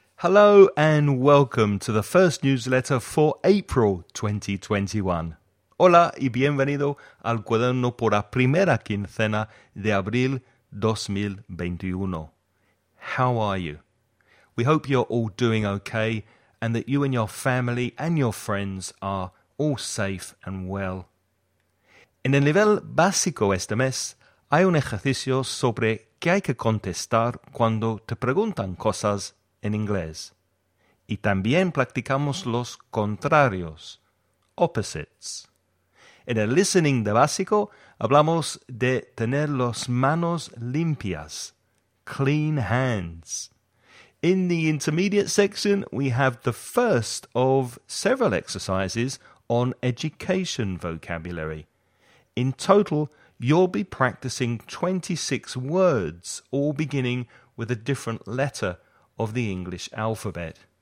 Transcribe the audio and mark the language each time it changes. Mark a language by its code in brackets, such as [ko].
[en] Hello and welcome to the first newsletter for April 2021. [es] Hola y bienvenido al cuaderno por la primera quincena de abril 2021. [en] How are you? We hope you're all doing okay and that you and your family and your friends are all safe and well. [es] En el nivel básico este mes, hay un ejercicio sobre qué hay que contestar cuando te preguntan cosas en inglés. Y también practicamos los contrarios, opposites. En el listening de básico, hablamos de tener las manos limpias, [en] clean hands. In the intermediate section, we have the first of several exercises on education vocabulary. In total, you'll be practicing 26 words, all beginning with a different letter of the English alphabet.